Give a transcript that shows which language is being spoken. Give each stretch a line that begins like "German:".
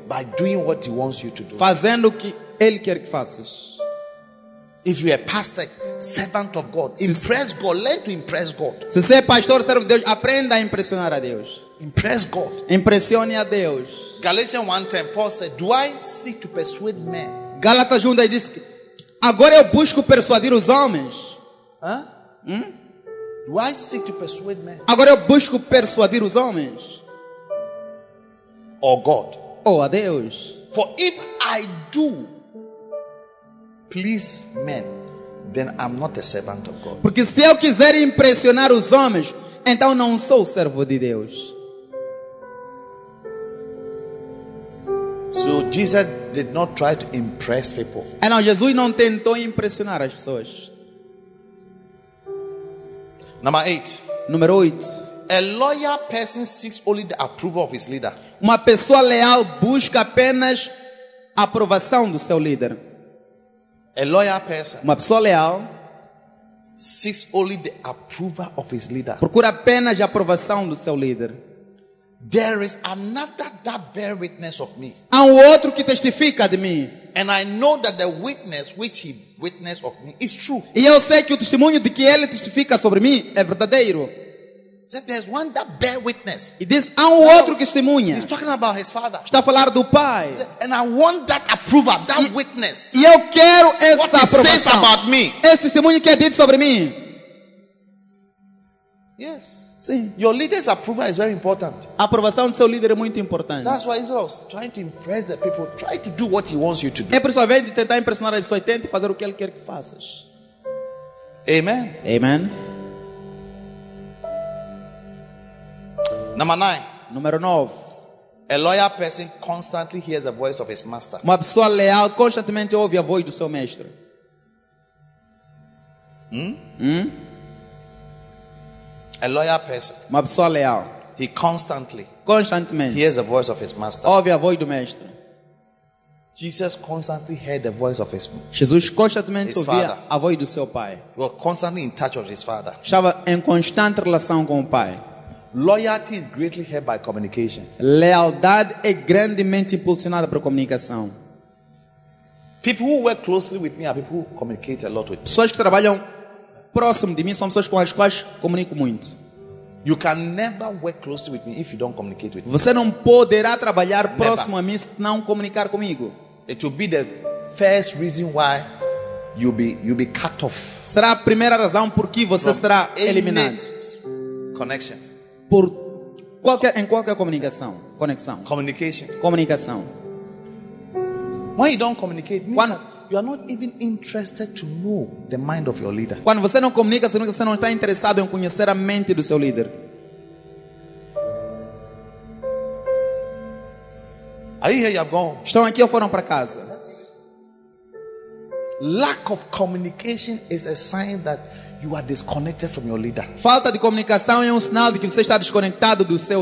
English: By doing what he wants you to do.
Portuguese: Fazendo o que ele quer que faças.
English: If you are a pastor, servant of God, impress God. Learn to impress God.
Portuguese: Se você é pastor, servo de Deus, aprenda a impressionar a Deus.
English: Impress God.
Portuguese: Impressione a Deus.
English: Galatians 1:10, Paul said, "Do I seek to persuade men?"
Portuguese: Galatas 1 diz que agora eu busco persuadir os homens.
English: Do I seek to persuade men?
Portuguese: Agora eu busco persuadir os homens.
English: Or God.
Portuguese: Ou a Deus.
English: For if I do please men, then I'm not a servant of God.
Portuguese: Porque se eu quiser impressionar os homens, então não sou servo de Deus.
English: So Jesus did not try to impress people.
Portuguese: E não, Jesus não tentou impressionar as pessoas.
English: Number 8. A loyal person seeks only the approval of his leader.
Portuguese: Uma pessoa leal busca apenas a aprovação do seu líder.
English: A loyal person.
Portuguese: Uma pessoa leal
English: seeks only the approval of his leader.
Portuguese: Procura apenas a aprovação do seu líder.
English: There is another that bear witness of me.
Portuguese: Há outro que testifica de mim.
English: And I know that the witness which he witness of me is true.
Portuguese: E eu sei que o testemunho de que ele testifica sobre mim é verdadeiro.
English: So there's one that bear witness.
Portuguese: E diz, há outro que testemunha.
English: He's talking about his father.
Portuguese: Está a falar do pai.
English: And I want that approval, that witness.
Portuguese: E eu quero essa
English: what
Portuguese: aprovação.
English: What he says about me.
Portuguese: Esse testemunho que é dito sobre mim.
English: Yes.
Portuguese: Sim.
English: Your leader's approval is very important.
Portuguese: A aprovação do seu líder é muito importante.
English: That's why Israel is trying to impress the people. Try to do what he wants you to do.
Portuguese: É por sua vez de tentar impressionar as pessoas. Tente fazer o que ele quer que faças.
English: Amen. Amen. Number 9. A loyal person constantly hears the voice of his master.
Portuguese: Uma pessoa leal constantemente ouve a voz do seu mestre.
English: A loyal person.
Portuguese: Uma pessoa leal.
English: He constantly.
Portuguese: Constantemente.
English: Hears the voice of his master.
Portuguese: Ouve a voz do mestre.
English: Jesus constantly heard the voice of his.
Portuguese: Jesus constantemente
English: his
Portuguese: ouvia
English: father.
Portuguese: A voz do seu pai.
English: Was constantly in touch with his father.
Portuguese: Estava em constante relação com o pai.
English: Loyalty is greatly helped by communication.
Portuguese: Lealdade é grandemente impulsionada por comunicação.
English: People who work closely with me are people who communicate a lot with me.
Portuguese: Pessoas que trabalham próximo de mim são pessoas com as quais comunico muito.
English: You can never work closely with me if you don't communicate with me.
Portuguese: Você não poderá trabalhar próximo a mim se não comunicar comigo.
English: It will be the first reason why you'll be cut off.
Portuguese: Será a primeira razão por que você será eliminado.
English: Connection.
Portuguese: Por qualquer em qualquer comunicação, conexão.
English: Communication.
Portuguese: Comunicação.
English: Why you don't communicate?
Portuguese: Quando
English: you are not even interested to know the mind of your leader.
Portuguese: Quando você não comunica, você não está interessado em conhecer a mente do seu líder. Aí
English: here you have gone.
Portuguese: Estão aqui ou foram para casa?
English: Lack of communication is a sign that you are disconnected from your leader.
Portuguese: Falta de comunicação é sinal de que você está desconectado do seu